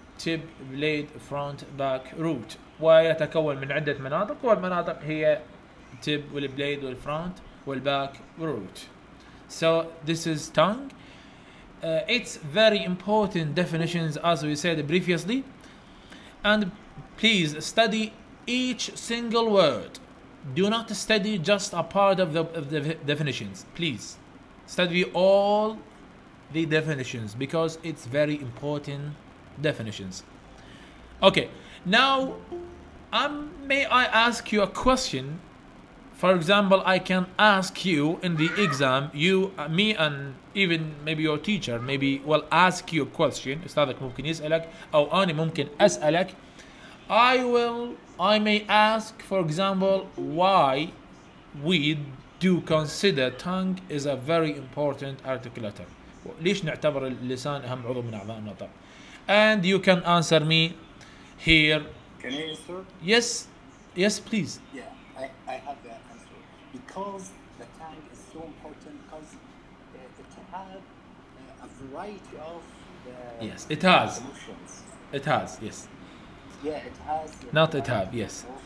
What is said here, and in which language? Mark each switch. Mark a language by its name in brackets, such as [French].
[Arabic] تيب بليد فرونت باك روت، ويتكون من عدة مناطق، والمناطق هي تيب والبليد والفرونت والباك روت. [English] So this is tongue. It's very important definitions as we said previously, and please study each single word. Do not study just a part of the definitions. Please study all the definitions because it's very important definitions. Okay, now may I ask you a question? For example, I can ask you in the exam, you, me, and even maybe your teacher, maybe will ask you a question. [Arabic] أستاذك ممكن يسألك أو أنا ممكن أسألك. [English] I may ask, for example, why we do consider tongue is a very important articulator. [Arabic] ليش نعتبر اللسان أهم عضو من أعضاء النطق؟ [English] And you can answer me here. Can I answer? Yes. Yes, please. Yeah, I have that. Because the tongue is so important, because it has a variety of yes, it has. Emotions. It has, yes. Yeah, it has. Not it have, yes.